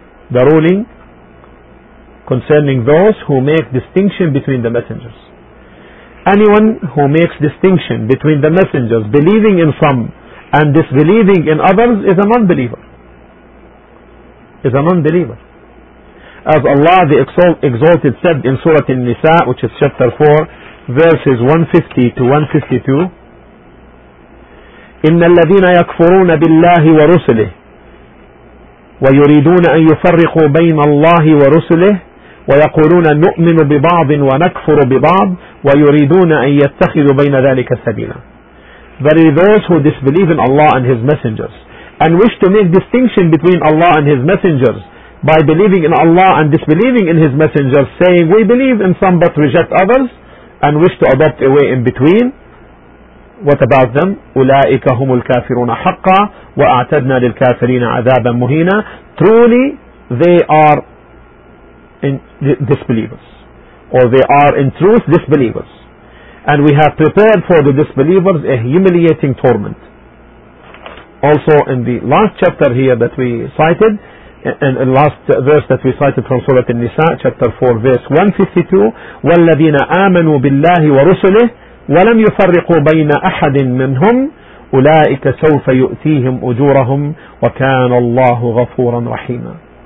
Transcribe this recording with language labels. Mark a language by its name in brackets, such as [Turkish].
[English] The ruling concerning those who make distinction between the messengers. Anyone who makes distinction between the messengers, believing in some and disbelieving in others, is a non-believer. Is a non-believer. As Allah the Exalted said in Surah An-Nisa, which is chapter 4, verses 150 to 152, [Arabic] إن الذين يكفرون بالله ورسله ويريدون أن يفرقوا بين الله ورسله ويقولون نؤمن ببعض ونكفر ببعض ويريدون أن يتخذوا بين ذلك سبيلا. [English] There are those who disbelieve in Allah and His messengers and wish to make distinction between Allah and His messengers by believing in Allah and disbelieving in His messengers, saying we believe in some but reject others, and wish to adopt a way in between. What about them? [Arabic] أولئك هم الكافرون حقا وأعتدنا للكافرين عذابا مهينا. [English] Truly they are in disbelievers, or they are in truth disbelievers, and we have prepared for the disbelievers a humiliating torment. Also in the last chapter here that we cited, in the last verse that we cited from Surah An-Nisa, chapter 4, verse 152, [Arabic] والذين آمنوا بالله ورسله وَلَمْ يُفَرِّقُوا بَيْنَ أَحَدٍ مِّنْهُمْ أُولَٰئِكَ سَوْفَ يُؤْتِيهِمْ أُجُورَهُمْ وَكَانَ اللَّهُ غَفُورًا رَحِيمًا.